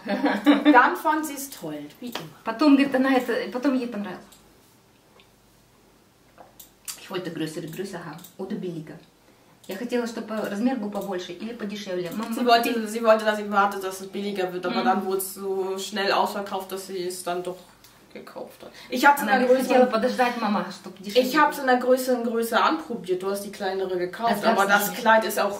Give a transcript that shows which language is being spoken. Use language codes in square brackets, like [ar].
[de] Dann fand sie es toll, wie immer. [ru] Потом, говорит, она это, потом ей понравилось. [de] Ich wollte größere Größe haben, oder billiger. [ru] Я хотела, чтобы размер был побольше или подешевле. [de] Sie wollte, dass sie warte, dass es billiger wird, aber dann wurde es so schnell ausverkauft, dass sie es dann doch... gekauft hat. Ich habe es in der größeren Größe anprobiert. Du hast die kleinere gekauft, aber das Kleid ist auch